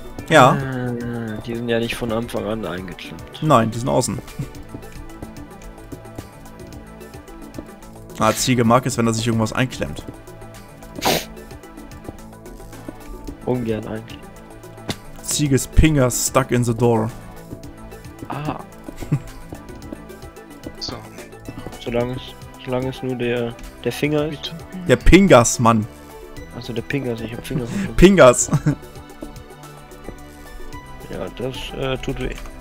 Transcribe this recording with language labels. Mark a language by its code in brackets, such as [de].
[de] Ja. Die sind ja nicht von Anfang an eingeklappt. Nein, die sind außen. Ah, Ziege mag es, wenn er sich irgendwas einklemmt. Ungern eigentlich. [en] Ziege's Pinger stuck in the door. Ah. [de] So. Solange es nur der Finger ist. Der Pingas, Mann. Also der Pingas, ich hab Finger. Pingas. Ja, das tut weh.